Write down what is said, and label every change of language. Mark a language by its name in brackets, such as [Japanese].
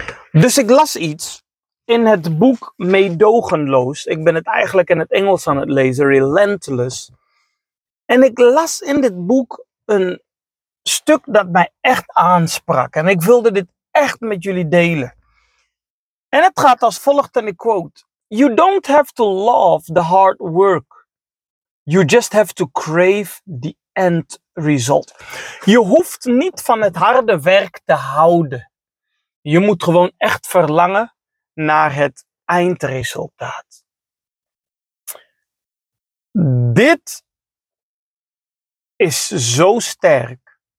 [Dutch] Dus ik las iets in het boek Meedogenloos. Ik ben het eigenlijk in het Engels aan het lezen, Relentless. En ik las in dit boek een stuk dat mij echt aansprak. En ik wilde dit echt met jullie delen. En het gaat als volgt en ik quote. [English] You don't have to love the hard work. You just have to crave the end result. [Dutch] Je hoeft niet van het harde werk te houden. Je moet gewoon echt verlangen naar het eindresultaat. Dit is zo sterk.